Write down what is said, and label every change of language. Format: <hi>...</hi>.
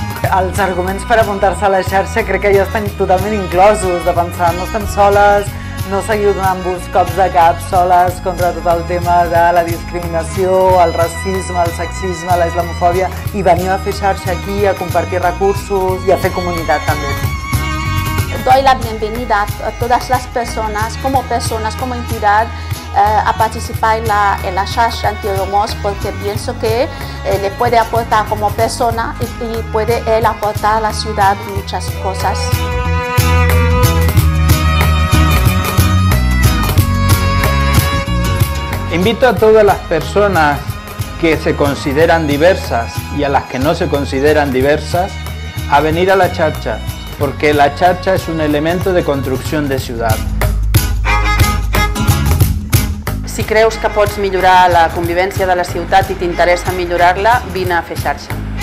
<ca>Els arguments per apuntar-se a la xarxa crec que ja estan totalment inclosos, de pensar no estem soles, no seguiu donant-vos cops de cap soles contra tot el tema de la discriminació, el racisme, el sexisme, la islamofòbia, i veniu a fer xarxa aquí, a compartir recursos i a fer comunitat també.</ca> <es>Doy la bienvenida a todas las personas, como entidad, a participar en la xarxa anti-homos, porque pienso que le puede aportar como persona y puede él aportar a la ciudad muchas cosas. Invito a todas las personas que se consideran diversas y a las que no se consideran diversas a venir a la xarxa, porque la xarxa es un elemento de construcción de ciudad.</es> <ca>Si creus que pots millorar la convivència de la ciutat i t'interessa millorar-la, vine a fer xarxa.</ca>